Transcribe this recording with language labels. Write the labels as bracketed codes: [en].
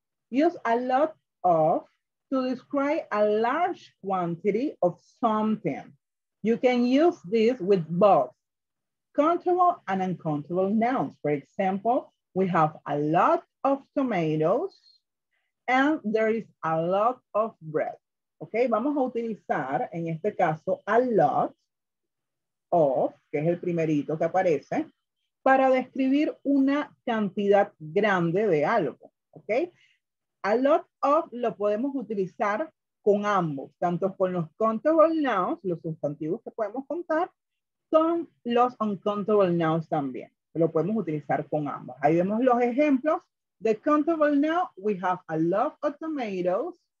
[en] Use a lot of to describe a large quantity of something. You can use this with both countable and uncountable nouns. For example, we have a lot of tomatoes and there is a lot of bread. [es] Ok, vamos a utilizar en este caso a lot of, que es el primerito que aparece, para describir una cantidad grande de algo. Ok, a lot of lo podemos utilizar con ambos, tanto con los countable nouns, los sustantivos que podemos contar, con los uncountable nouns también. Lo podemos utilizar con ambos. Ahí vemos los ejemplos. [en] The countable noun, we have a lot of tomatoes.